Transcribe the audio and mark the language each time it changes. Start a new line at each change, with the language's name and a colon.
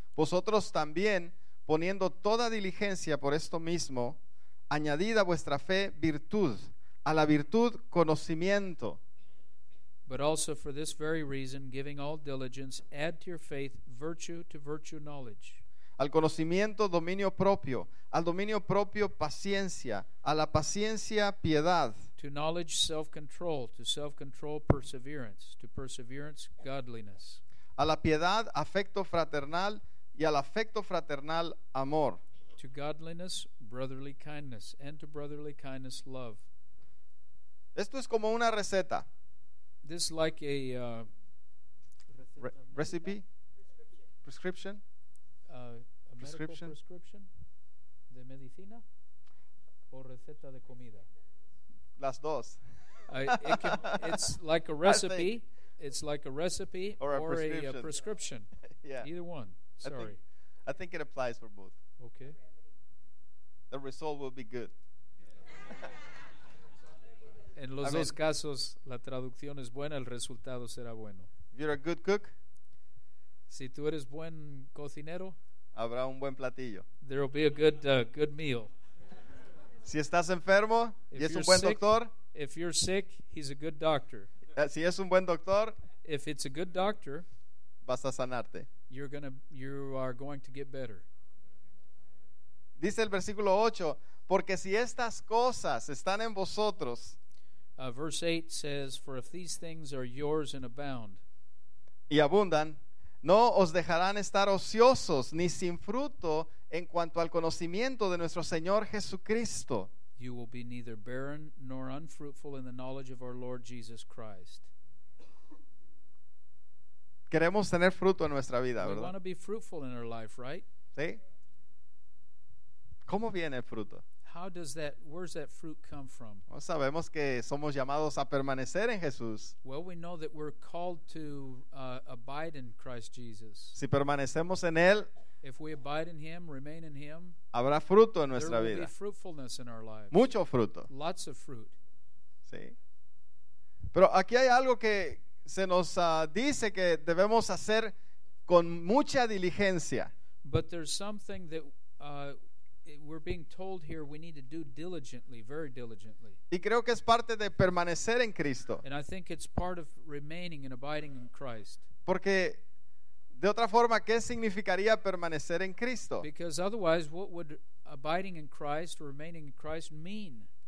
Spanish: vosotros también, poniendo toda diligencia por esto mismo, añadid a vuestra fe virtud, a la virtud conocimiento.
English: But also for this very reason, giving all diligence, add to your faith virtue, to virtue knowledge.
Spanish: Al conocimiento dominio propio, al dominio propio paciencia, a la paciencia piedad.
English: To knowledge self-control, to self-control perseverance, to perseverance godliness.
Spanish: A la piedad afecto fraternal y al afecto fraternal amor.
English: To godliness brotherly kindness, and to brotherly kindness love.
Spanish: Esto es como una receta.
English: This is like a recipe, prescription, a prescription. Medical prescription
Spanish: de medicina o receta de comida. Las dos.
English: It's like a recipe. It's like a recipe or a prescription. Yeah. Either one. Sorry. I think it applies for both. Okay. The result will be good.
Spanish: En los dos casos, la traducción es buena, el resultado será bueno.
English: You're a good cook.
Spanish: Si tú eres buen cocinero, habrá un buen platillo.
English: There will be a good good meal.
Spanish: Si estás enfermo, y es un buen doctor.
English: If you're sick, he's a good doctor.
Spanish: Si es un buen doctor,
English: if it's a good doctor,
Spanish: vas a sanarte.
English: You are going to get better.
Spanish: Dice el versículo 8, porque si estas cosas están en vosotros,
English: Verse 8 says, for if these things are yours and abound,
Spanish: y abundan, no os dejarán estar ociosos ni sin fruto en cuanto al conocimiento de nuestro Señor Jesucristo.
English: You will be neither barren nor unfruitful in the knowledge of our Lord Jesus Christ.
Spanish: Queremos tener fruto en nuestra vida, ¿verdad?
English: We want to be fruitful in our life, right?
Spanish: ¿Sí? ¿Cómo viene el fruto?
English: How does that, where's that fruit come from?
Spanish: Well, sabemos que somos llamados a permanecer en Jesús.
English: Well, we know that we're called to abide in Christ Jesus.
Spanish: Si permanecemos en Él,
English: if we abide in Him, remain in Him,
Spanish: habrá fruto en nuestra vida.
English: There will be fruitfulness in our lives.
Spanish: Mucho fruto.
English: Lots of fruit.
Spanish: Sí. Pero aquí hay algo que se nos dice que debemos hacer con mucha diligencia.
English: But there's something that we're being told here we need to do diligently, very diligently.
Spanish: Y creo que es parte de permanecer en Cristo.
English: And I think it's part of remaining and abiding in Christ.
Spanish: Porque de otra forma, ¿qué significaría permanecer en Cristo?
English: Because otherwise, what would abiding in Christ or remaining in Christ mean?